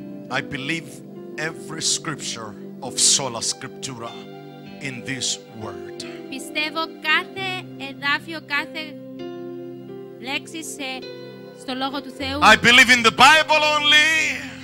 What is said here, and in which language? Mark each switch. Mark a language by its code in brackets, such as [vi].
[en] I believe every scripture of sola scriptura in this word. [el] Πιστεύω κάθε εδάφιο, κάθε λέξη στο λόγο του Θεού. [en] I believe in the Bible only.